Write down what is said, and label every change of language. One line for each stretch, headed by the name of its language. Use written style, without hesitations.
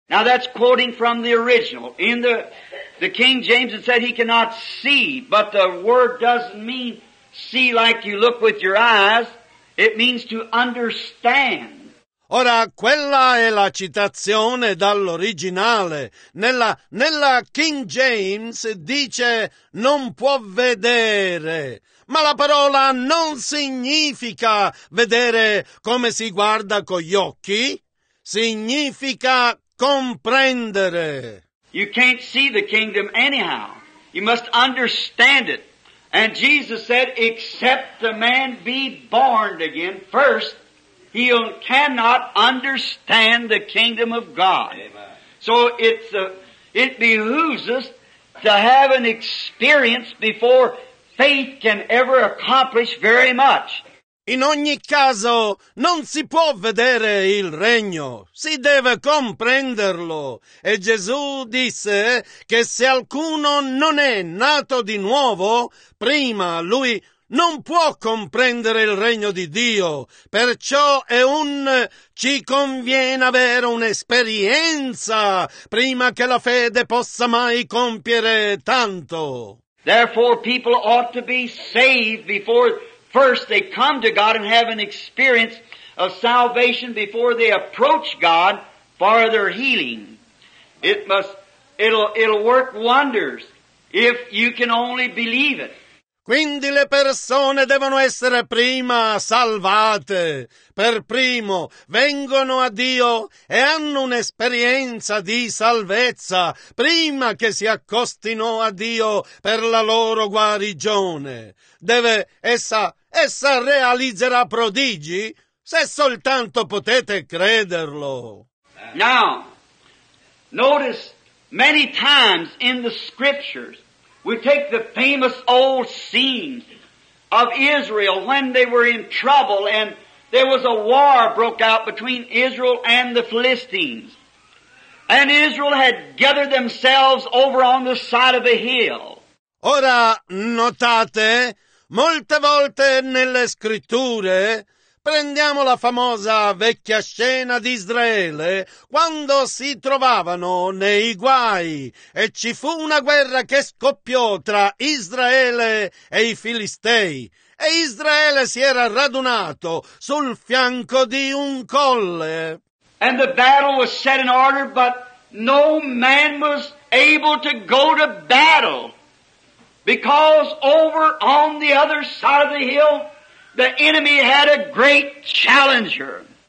English: Now that's quoting from the original. In the King James it said he cannot see, but the word doesn't mean see like you look with your eyes. It means to understand.
Italian: Ora, quella è la citazione dall'originale. Nella King James dice non può vedere. Ma la parola non significa vedere come si guarda con gli occhi. Significa comprendere.
English: You can't see the kingdom anyhow. You must understand it. And Jesus said, except the man be born again first, he cannot understand the kingdom of God. Amen. So it behooves us to have an experience before faith can ever accomplish very much.
Italian: In ogni caso, non si può vedere il regno, si deve comprenderlo. E Gesù disse che se alcuno non è nato di nuovo, prima lui non può comprendere il regno di Dio. Perciò è ci conviene avere un'esperienza prima che la fede possa mai compiere tanto.
English: Therefore people ought to be saved before first they come to God and have an experience of salvation before they approach God for their healing. It'll work wonders if you can only believe it.
Italian: Quindi le persone devono essere prima salvate. Per primo vengono a Dio e hanno un'esperienza di salvezza prima che si accostino a Dio per la loro guarigione. Essa realizzerà prodigi se soltanto potete crederlo.
English: Now, notice many times in the scriptures we take the famous old scene of Israel when they were in trouble and there was a war broke out between Israel and the Philistines. And Israel had gathered themselves over on the side of a hill.
Italian: Ora notate, molte volte nelle scritture prendiamo la famosa vecchia scena di Israele quando si trovavano nei guai e ci fu una guerra che scoppiò tra Israele e i Filistei e Israele si era radunato sul fianco di un colle.
English: And the battle was set in order, but no man was able to go to battle because over on the other side of the hill the enemy had a great challenger.